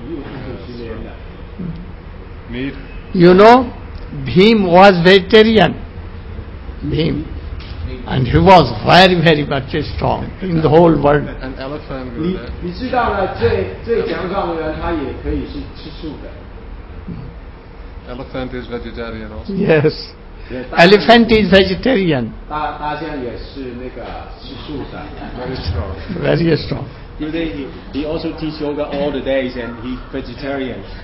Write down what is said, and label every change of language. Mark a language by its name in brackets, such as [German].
[Chinese] 你可以呢，可以活呢一百五十年的。 [English] Meat. You know, Bhim was vegetarian. Bhim, and he was very, very much strong in the whole world. An elephant. [Chinese] 你知道呢，最强壮的人他也可以是吃素的。 [English] Elephant is vegetarian also. Yes. Elephant is vegetarian. [Chinese] 大象也是那个吃素的。 [English] Very strong. Very strong. He also teach yoga all the days and he vegetarian.